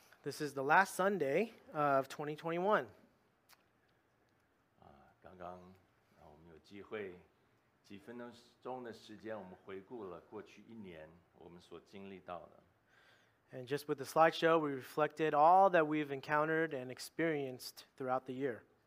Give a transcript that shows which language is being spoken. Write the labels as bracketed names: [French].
[English] This is the last Sunday of 2021. [Chinese] 刚刚我们有机会几分钟的时间，我们回顾了过去一年我们所经历到的。 [English] And just with the slideshow, we reflected all that we've encountered and experienced throughout the year.